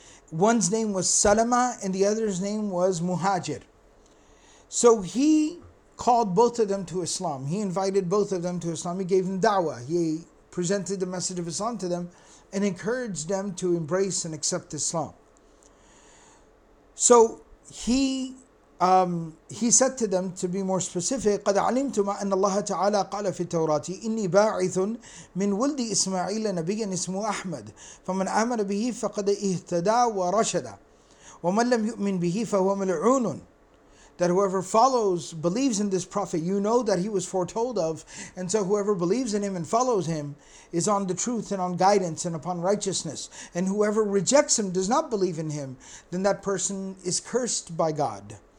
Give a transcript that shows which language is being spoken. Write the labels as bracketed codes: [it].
[en] One's name was Salama and the other's name was Muhajir. So he called both of them to Islam. He invited both of them to Islam. He gave them da'wah. He presented the message of Islam to them and encouraged them to embrace and accept Islam. So he said to them, to be more specific, [ar] قَدْ عَلِمْتُمَا أَنَّ اللَّهَ تَعَالَىٰ قَالَ فِي التَّوْرَاتِ إِنِّي بَاعِثٌ مِنْ وَلْدِ إِسْمَعِيلَ نَبِيًّا إِسْمُهُ أَحْمَدٍ فَمَنْ آمَنَ بِهِ فَقَدْ إِهْتَدَىٰ وَرَشَدَىٰ وَمَنْ لَمْ يُؤْمِنْ بِهِ فَهُوَ مَلْعُونٌ. [en] That whoever follows, believes in this Prophet, you know that he was foretold of, and so whoever believes in him and follows him is on the truth and on guidance and upon righteousness. And whoever rejects him, does not believe in him, then that person is cursed by God.